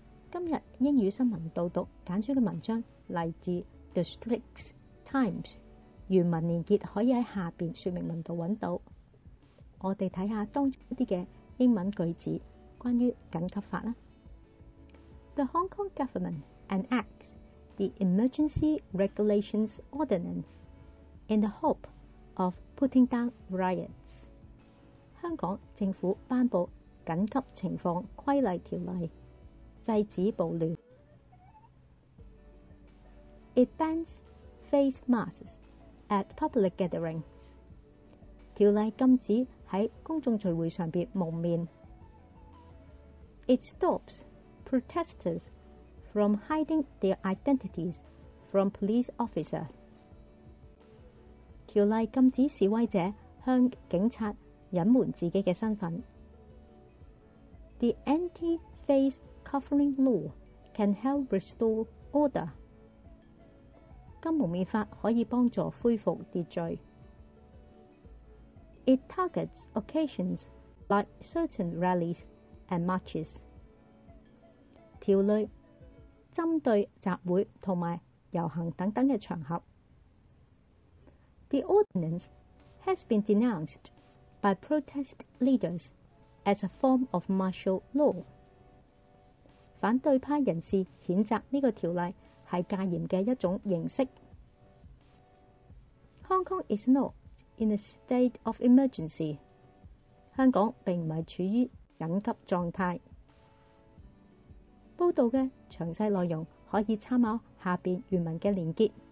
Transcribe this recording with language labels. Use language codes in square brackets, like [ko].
[zh] 今日英语新闻导读简书的文章来自 The Straits Times， 原文连结可以在下面说明文度找到。我们看看当中一些英文句子关于紧急法。 [en] The Hong Kong government enacts the Emergency Regulations Ordinance in the hope of putting down riots。 [zh] 香港政府颁布紧急情况规例条例，制止暴乱。 [en] It bans face masks at public gatherings。 [zh] 条例禁止在公众聚会上蒙面。 [en] It stops protesters from hiding their identities from police officers。 [zh] 条例禁止示威者向警察隐瞒自己的身份。 [en] The anti-face covering law can help restore order。 [zh] 金蒙面法可以帮助恢复秩序。 [en] It targets occasions like certain rallies and marches。 [zh] 条例针对集会和游行等等的场合。 [en] The ordinance has been denounced by protest leaders as a form of martial law。 [zh] 反对派人士谴责这个条例是戒严的一种形式。 [en] Hong Kong is not in a state of emergency。 [zh] 香港并不是处于紧急状态。报道的详细内容可以参考下面原文的连结。